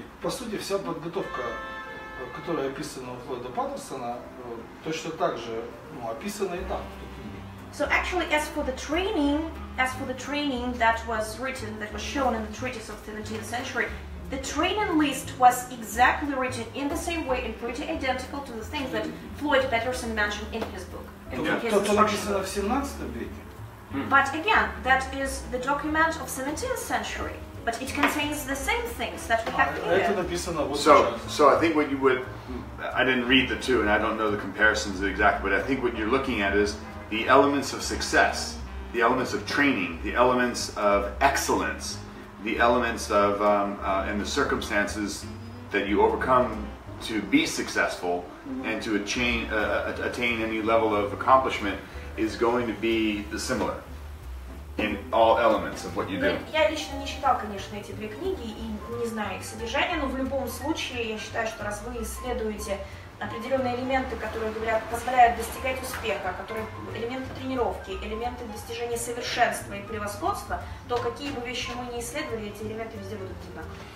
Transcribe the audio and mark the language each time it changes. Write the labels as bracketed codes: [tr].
[ru] По сути, вся подготовка, которая описана у Флойда Паттерсона, точно так же описана и там. [en] So actually, as for the training that was written, that was shown in the treatise of the 17th century, the training list was exactly written in the same way and pretty identical to the things that Floyd Patterson mentioned in his book. But again, that is the document of 17th century, but it contains the same things that we have here. So I think what you would, I didn't read the two and I don't know the comparisons exactly, but I think what you're looking at is the elements of success, the elements of training, the elements of excellence. the elements of and the circumstances that you overcome to be successful and to attain any level of accomplishment is going to be similar in all elements of what you do. [ru] Я лично не читал, конечно, эти две книги и не знаю их содержание, но в любом случае я считаю, что раз вы исследуете определенные элементы, которые говорят, позволяют достигать успеха, которые элементы тренировки, элементы достижения совершенства и превосходства, то какие бы вещи мы ни исследовали, эти элементы везде будут одинаковы.